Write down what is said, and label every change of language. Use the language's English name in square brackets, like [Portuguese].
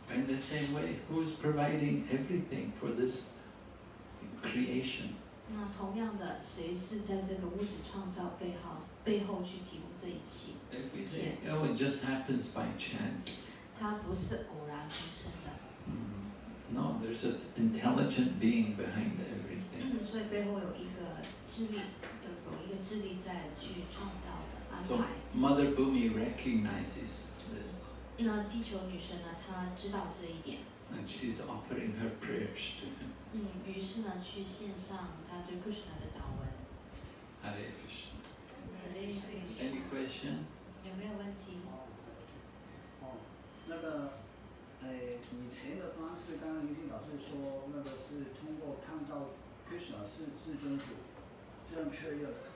[English] In the same way, who is providing everything for this creation? [Chinese] 那同样的，谁是在这个物质创造背后去提供这一切 [English] ？If we Oh, it just happens by chance. [Chinese] 它不是偶然出现的。 [English] No, there's an intelligent being behind everything. [Chinese] 所以背后有一个智力，有一个智力在去创造的安排。 [English] So Mother Bhumi recognizes this. [Chinese] 那地球女神呢？她知道这一点。 [English] And she's offering her prayers to him. [Chinese] 于是呢，去献上她对库什纳的祷文。 [Sanskrit] Hare Krishna. [English] Any question? [Chinese] 有没有问题？那个，以前的方式，刚刚林静老师说那个是通过看到 Krishna 是至尊主，这样确认。